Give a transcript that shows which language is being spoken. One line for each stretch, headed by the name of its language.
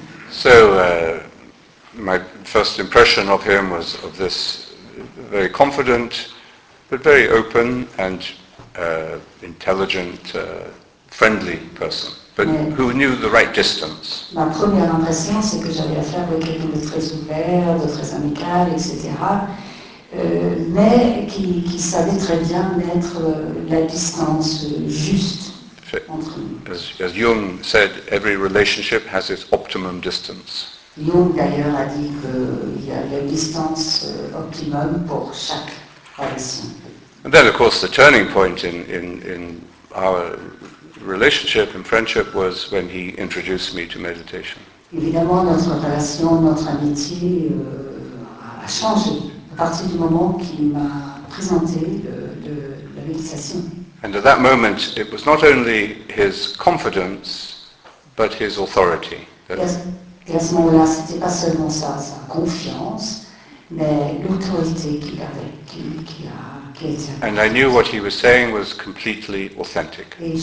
English: So my first impression of him was of this very confident, but very open and intelligent, friendly person, but who knew the right distance.
French: Ma première impression, c'est que j'avais affaire avec quelqu'un de très ouvert, de très amical, etc. Mais qui savait très bien mettre la distance juste entre nous.
English: As Jung said, every relationship has its optimum distance.
French: Jung d'ailleurs a dit qu'il y a la distance optimum pour chaque relation.
English: And then, of course, the turning point in our relationship and friendship was when he introduced me to meditation.
French: Évidemment, notre relation, notre amitié a changé à partir du moment qu'il m'a présenté la méditation.
English: And at that moment, it was not only his confidence, but his authority.
French: Et à ce moment-là, c'était pas seulement ça, sa confiance, mais l'autorité qu'il avait, qui a.
English: And I knew what he was saying was completely authentic.